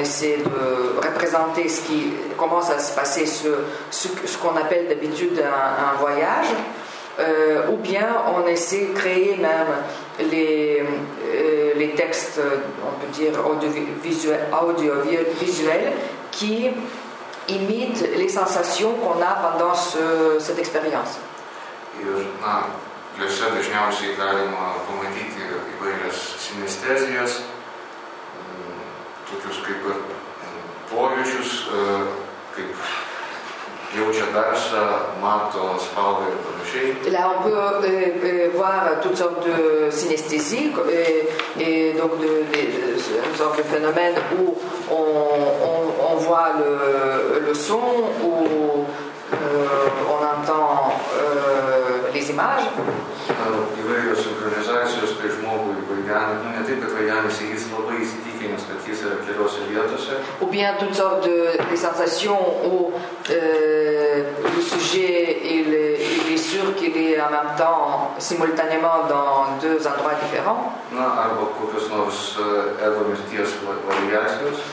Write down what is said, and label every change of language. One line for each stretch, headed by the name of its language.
French: essaie de représenter ce qui commence à se passer, ce qu'on appelle d'habitude un voyage, ou bien on essaie de créer même les textes, on peut dire audiovisuels, qui imitent les sensations qu'on a pendant cette expérience.
Lithuanian: Juose dažniausiai galima pamatyti įvairias sinestezijas, tokius kaip ir pojūčius, kaip jaučia garsą, mato spalvą ir panašiai.
French: Là, on peut voir toutes sortes de synesthésies et donc une sorte de phénomène où on voit le son, où on entend les images.
Lithuanian: Įvairios sinchronizacijos, kai žmogui vaidenasi, ne taip, kad vaidenasi, jis labai įsitikinęs, kad jis yra keliose vietose.
French: Ou bien toutes sortes de sensations où le sujet il est sûr qu'il est en même temps simultanément dans deux endroits différents.
Lithuanian: Na, arba kokios nors ego mirties variacijos.